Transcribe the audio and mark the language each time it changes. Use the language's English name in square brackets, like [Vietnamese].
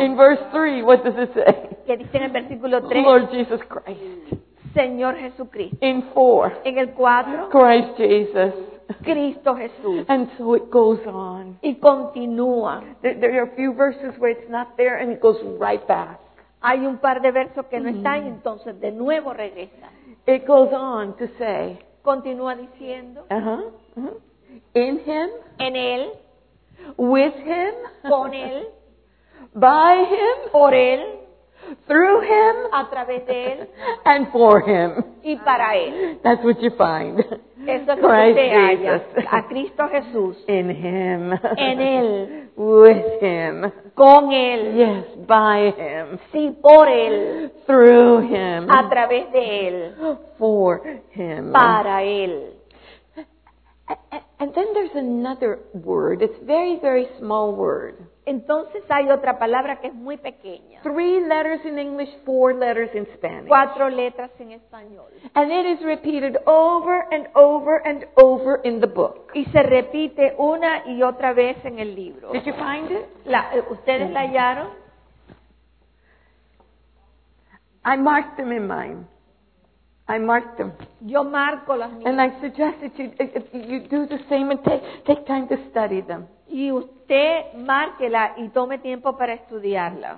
[English] In verse 3, what does it say? [Spanish] ¿Qué dice en el versículo 3? [English] Lord Jesus Christ. [Spanish] Señor Jesucristo. [English] In 4. [Spanish] En el 4. [English] Christ Jesus. [Spanish] Cristo Jesús. [English] And so it goes on. [Spanish] Y continúa. [English] There are a few verses where it's not there and it goes right back. [Spanish] Hay un par de versos que no están y entonces de nuevo regresa. [English] It goes on to say. [Spanish] Continúa diciendo. [English] In him. [Spanish] En él. [English] With him. [Spanish] Con él. [English] By him. [Spanish] Por él. [English] Through him. [Spanish] A través de él. [English] And for him. [Spanish] Y para él. [English] That's what you find. [Spanish] Eso es Christ Jesus. A Cristo Jesús. [English] In him. [Spanish] En él. [English] With him. [Spanish] Con él. [English] Yes, by him. [Spanish] Sí, por él. [English] Through him. [Spanish] A través de él. [English] For him. [Spanish] Para él. [English] And then there's another word. It's very, very small word. [Spanish] Entonces hay otra palabra que es muy pequeña. [English] Three letters in English, four letters in Spanish. [Spanish] Cuatro letras en español. [English] And it is repeated over and over and over in the book. [Spanish] Y se repite una y otra vez en el libro. [English] Did you find it? [Spanish] ¿Ustedes la hallaron? [English] I marked them in mine. I marked them. [Spanish] Yo marco las mías. [English] And I suggest that you do the same and take time to study them. [Spanish] Y usted márquela y tome tiempo para estudiarla.